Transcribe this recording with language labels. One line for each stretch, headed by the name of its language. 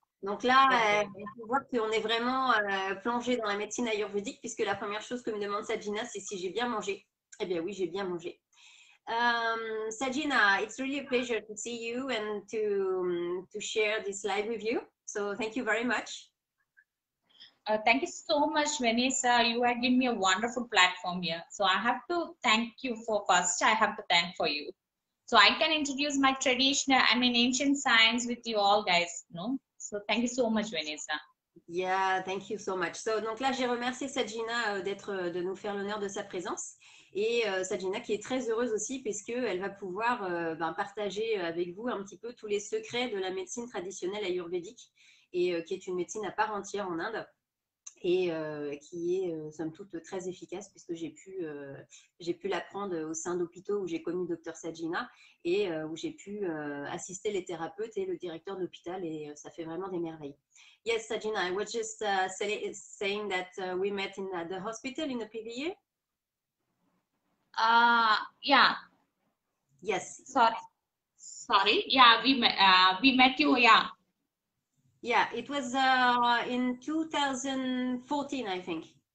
French: Donc là, on voit qu'on est vraiment plongé dans la médecine ayurvédique, puisque la première chose que me demande Sajina, c'est si j'ai bien mangé. Eh bien oui, j'ai bien mangé.
English: Sajina, it's really a pleasure to see you and to share this live with you. So thank you very much. Thank you so much, Vanessa. You have given me a wonderful platform here. So I have to thank you for first. I have to thank for you. So I can introduce my traditional, I mean ancient science with you all guys, no? So thank you so much, Vanessa. Yeah, thank you so much.
French: So, donc là, j'ai remercié Sajina de nous faire l'honneur de sa présence. Et Sajina qui est très heureuse aussi puisqu'elle va pouvoir partager avec vous un petit peu tous les secrets de la médecine traditionnelle ayurvédique et qui est une médecine à part entière en Inde et qui est somme toute très efficace puisque j'ai pu l'apprendre au sein d'hôpitaux où j'ai connu Dr Sajina et où j'ai pu assister les thérapeutes et le directeur d'hôpital et ça fait vraiment des merveilles.
English: Yes, Sajina, I was just saying that we met in the hospital in the Privé. Yeah. Yes. Sorry. Yeah, we met you, yeah. Yeah, it was in 2014, I think.